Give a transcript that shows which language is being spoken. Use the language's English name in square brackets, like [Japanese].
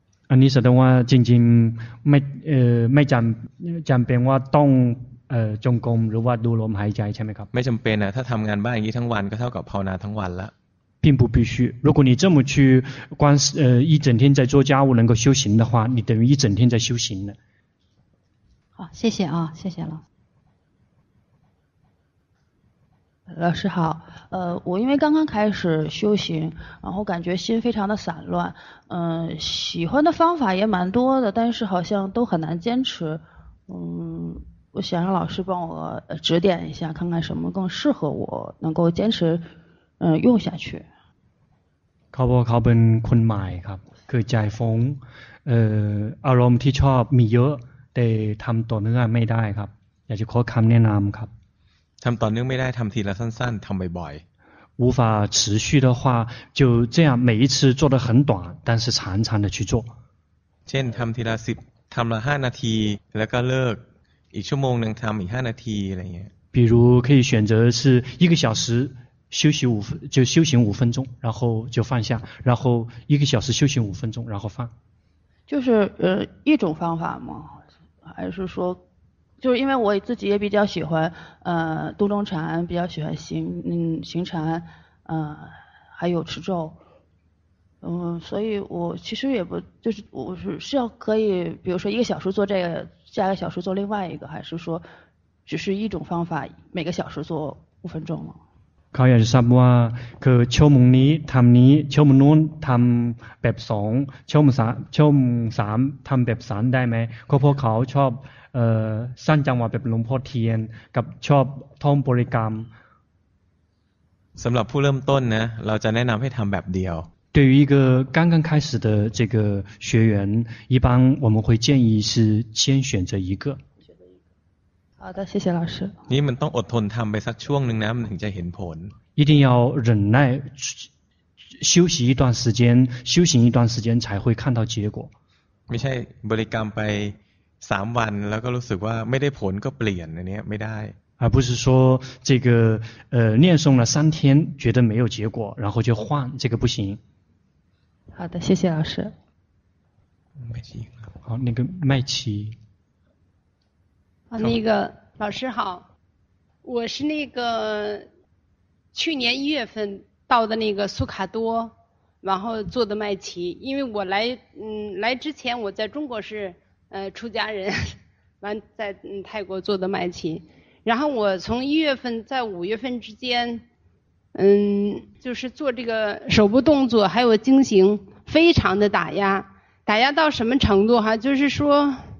[Thai] อันนี้แสดงว่าจริงๆไม่จำเป็นว่าต้องจงกรมหรือว่าดูลมหายใจใช่ไหมครับ ไม่จำเป็นนะถ้าทำงานบ้านอย่างนี้ทั้งวันก็เท่ากับภาวนาทั้งวันละ [Chinese] 并不必须如果你这么去观一整天在做家务能够修行的话你等于一整天在修行了好谢谢啊谢谢老师老师好我因为刚刚开始修行然后感觉心非常的散乱喜欢的方法也蛮多的但是好像都很难坚持我想让老师帮我指点一下看看什么更适合我能够坚持用下去 [Thai] เขาบอกเขาเป็นคนใหม่ครับคือใจฟุ้งอารมณ์ที่ชอบมีเยอะแต่ทำต่อเนื่องไม่ได้ครับอยากจะขอคำแนะนำครับ ทำต่อเนื่องไม่ได้ทำทีละสั้นๆทำบ่อย [Chinese] ๆ无法持续的话就这样每一次做得很短但是常常的去做 [Thai] เช่นทำทีละ10ทำละ5นาทีแล้วก็เลิก 一ชั่วโมงหนึ่งทำอีก5นาทีอะไรเงี้ย [Chinese] 比如可以选择是一个小时休息五分就修行五分钟然后就放下然后一个小时修行五分钟然后放就是一种方法吗还是说就是因为我自己也比较喜欢多动禅比较喜欢行禅还有持咒所以我其实也不就是我是要可以比如说一个小时做这个下一个小时做另外一个还是说只是一种方法每个小时做五分钟吗 [Thai] เขาอยากจะทราบว่าคือชั่วโมงนี้ทำนี้ชั่วโมงนู้นทำแบบสองชั่วโมงสามชั่วโมงสามทำแบบสามได้ไหมก็เพราะเขาชอบสร้างจังหวะแบบหลวงพ่อเทียนกับชอบท่องบริกรรม สำหรับผู้เริ่มต้นนะเราจะแนะนำให้ทำแบบเดียว [Chinese] 对于一个刚刚开始的这个学员一般我们会建议是先选择一个好的谢谢老师你们 [Thai] ต้องอดทนทำไปสักช่วงหนึ่งนะมันถึงจะเห็นผล [Chinese] 一定要忍耐休息一段时间修行一段时间才会看到结果 [Thai] ไม่ใช่บริกรรมไป3วันแล้วก็รู้สึกว่าไม่ได้ผลก็เปลี่ยนอันนี้ไม่ได้ [Chinese] 而不是说这个念诵了三天觉得没有结果然后就换这个不行好的谢谢老师麦琪好那个麦琪啊，那个老师好，我是那个去年一月份到的那个苏卡多，然后做的麦琪，因为我来来之前我在中国是出家人，完在泰国做的麦琪，然后我从一月份在五月份之间，就是做这个手部动作还有经行，非常的打压，打压到什么程度哈，就是说。